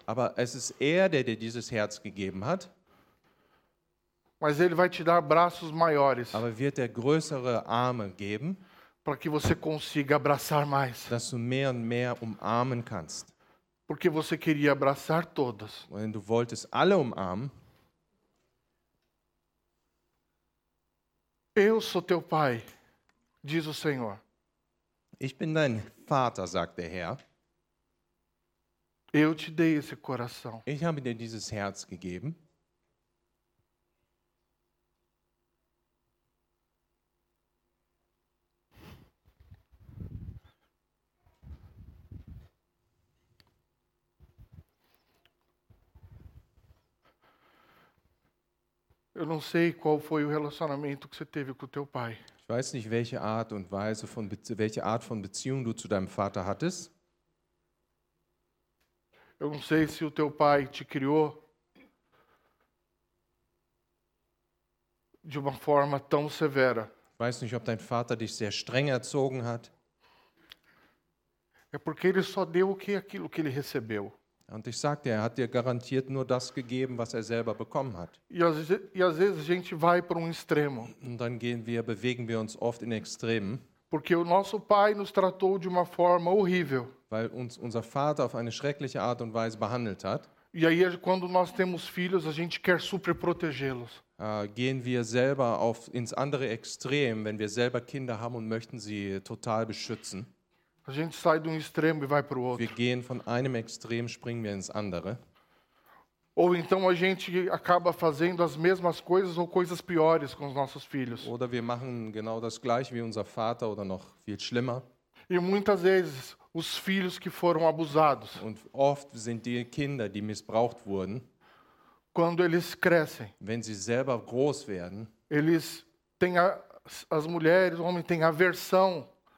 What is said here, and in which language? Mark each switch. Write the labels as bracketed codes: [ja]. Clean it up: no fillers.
[de] Aber es ist der dir dieses Herz gegeben hat. [pt] Mas ele vai te dar braços maiores. [de] Aber wird größere Arme geben. [pt] Para que você consiga abraçar mais. [de] Dass du mehr und mehr umarmen kannst. [pt] Porque você queria abraçar todas. [de] Wenn du wolltest alle umarmen. [pt] Eu sou teu pai, diz o Senhor. [de] Ich bin dein Vater, sagt der Herr. [pt] Eu te dei esse coração. [de] Ich habe dir dieses Herz gegeben. [pt] Eu não sei qual foi o relacionamento que você teve com o teu pai. [de] Ich weiß nicht, welche Art und Weise von welche Art von Beziehung du zu deinem Vater hattest. [pt] Eu não sei se o teu pai te criou de uma forma tão severa. [de] Ich weiß nicht, ob dein Vater dich sehr streng erzogen hat. [pt] É porque ele só deu o que aquilo que ele recebeu. [de] Und ich sagte, er hat dir garantiert nur das gegeben, was er selber bekommen hat. Und dann bewegen wir uns oft in Extremen. [pt] Porque o nosso pai nos tratou de uma forma horrível. [de] Weil uns unser Vater auf eine schreckliche Art und Weise behandelt hat. [pt] E aí, quando nós temos filhos, a gente quer super protegê-los. [de] Gehen wir selber ins andere Extrem, wenn wir selber Kinder haben und möchten sie total beschützen. [pt] A gente sai de um extremo e vai para o outro. [de] Wir gehen von einem Extrem, springen wir ins andere. [pt] Ou então a gente acaba fazendo as mesmas coisas ou coisas piores com os nossos filhos. [de] Oder wir machen genau das gleiche wie unser Vater oder noch viel schlimmer. [pt] E muitas vezes os filhos que foram abusados. [de] Und oft sind die Kinder, die missbraucht wurden. [pt] Quando eles crescem. [de] Wenn sie selber groß werden. [pt] Eles têm as mulheres, o homem tem aversão.